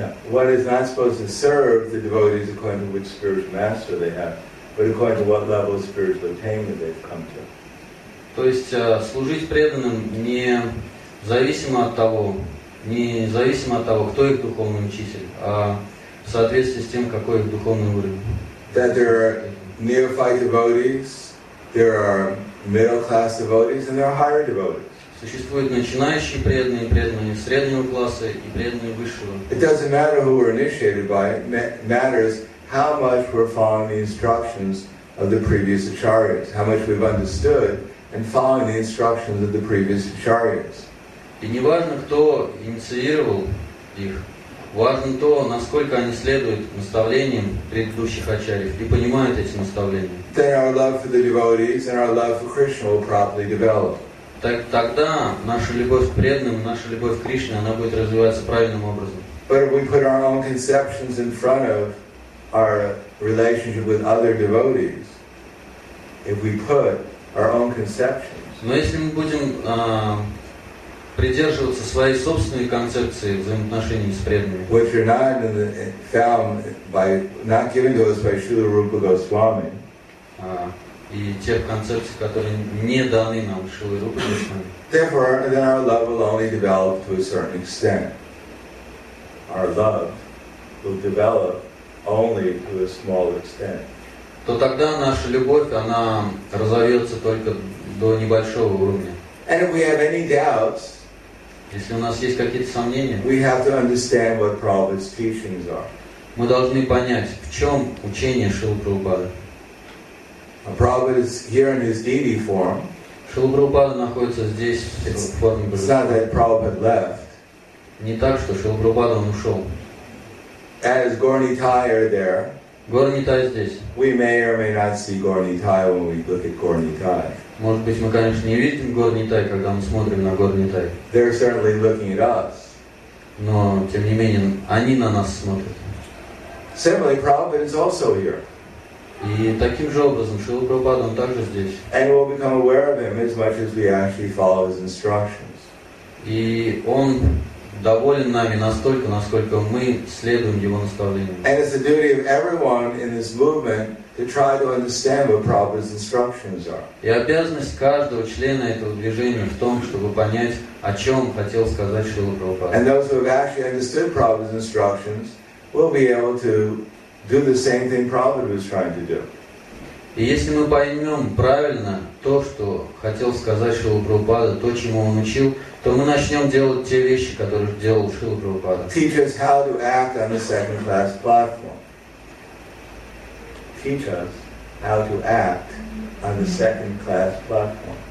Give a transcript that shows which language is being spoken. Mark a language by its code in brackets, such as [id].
[en] One is not supposed to serve the devotees according to which spiritual master they have, but according to what level of spiritual attainment they've come to. [ru] То есть служить преданным не зависимо от того, кто их духовный учитель, а в соответствии с тем, какой их духовный уровень. [en] That there are neophyte devotees, there are middle-class devotees, and there are higher devotees. [ru] Существуют начинающие преданные, преданные среднего класса и преданные высшего. [en] It doesn't matter who we're initiated by. Matters how much we're following the instructions of the previous acharyas, how much we've understood and following the instructions of the previous acharyas. [ru] И не важно, кто инициировал их. Важно то, насколько они следуют наставлениям предыдущих ачарьев и понимают эти наставления. [en] Then our love for the devotees and our love for Krishna will properly develop. [ru] Тогда наша любовь к преданным, наша любовь к Кришне, она будет развиваться правильным образом. [en] But if we put our own conceptions in front of our relationship with other devotees, if we put our own conceptions... [ru] Но если мы будем придерживаться своей собственной концепции взаимоотношений с преданными... [en] Which are not in the, found by, not given to us by Śrīla Rūpa Gosvāmī, [ru] и тех концепций, которые не даны нам Шрилы Рупы Госвами. [en] Therefore, then our love will only develop to a certain extent. Our love will develop only to a small extent. [ru] То тогда наша любовь, она разовьется только до небольшого уровня. [en] And if we have any doubts, [ru] если у нас есть какие-то сомнения, [en] we have to understand what Prabhupada's teachings are. [ru] Мы должны понять, в чем учение Шрилы Прабхупады. [en] Prabhupada is here in his deity form. [ru] Шрила Прабхупада находится здесь в форме Брахмана. [en] It's not that Prabhupada left. [ru] Не так, что Шрила Прабхупада он ушел. [en] As Gaur Nitai are there. [ru] Гаур Нитай здесь. [en] We may or may not see Gaur Nitai when we look at Gaur Nitai. [ru] Может быть, мы, конечно, не видим Гаур Нитай, когда мы смотрим на Гаур Нитай. [en] They're certainly looking at us. [ru] Но тем не менее, они на нас смотрят. [en] Similarly, Prabhupada is also here. [ru] И таким же образом Шрила Прабхупада он также здесь. [en] And we'll become aware of him as much as we actually follow his instructions. [ru] И он доволен нами настолько, насколько мы следуем его наставлениям. [en] And it's the duty of everyone in this movement to try to understand what Prabhupada's instructions are. [ru] И обязанность каждого члена этого движения в том, чтобы понять, о чем хотел сказать Шрила Прабхупада. [en] And those who have actually understood Prabhupada's instructions will be able to do the same thing Prabhupada was trying to do. [ru] И если мы поймем правильно то, что хотел сказать Шрила Прабхупада, то, чему он учил, то мы начнем делать те вещи, которые делал Шрила Прабхупада. [en] Teach us how to act on a second-class platform. Teach us how to act on a second-class platform.